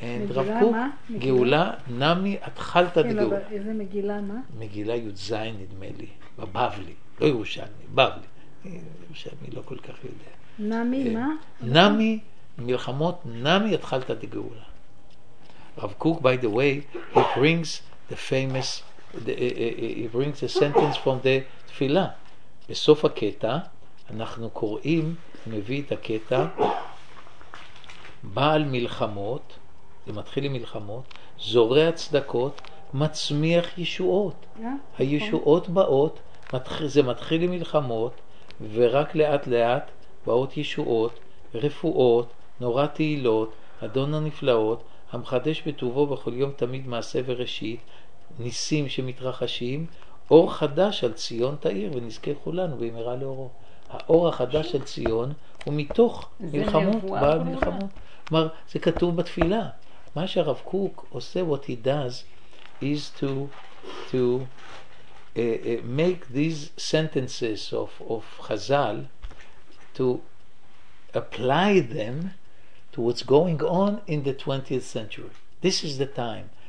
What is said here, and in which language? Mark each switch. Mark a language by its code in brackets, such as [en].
[he] רב קוק, גאולה, נמי, התחלת בגאולה. איזה מגילה, מה? מגילה י"ז נדמה לי, בבבלי, לא ירושלמי, בבלי. ירושלמי לא כל כך יודע. נמי, מה? נמי, מלחמות, נמי, התחלת בגאולה. [en] רב קוק, by the way, he brings the famous, he brings the sentence from the תפילה. [he] בסוף הקטע, אנחנו קוראים, מביא את הקטע, בעל מלחמות, זה מתחיל עם מלחמות, זורע צדקות, מצמיח ישועות. [en] Yeah, [he] הישועות okay. באות, זה מתחיל עם מלחמות, ורק לאט לאט באות ישועות, רפואות, נורא תהילות, אדון הנפלאות, המחדש בטובו בכל יום תמיד מעשה וראשית, ניסים שמתרחשים, אור חדש על ציון תאיר, ונזכה כולנו במהרה לאורו. האור החדש של ציון הוא מתוך מלחמות, בעל מלחמות. כלומר, זה כתוב בתפילה. מה שהרב קוק עושה, [en] what he does, is to make these sentences of Chazal, to apply them to what's going on in the 20th century. This is the time.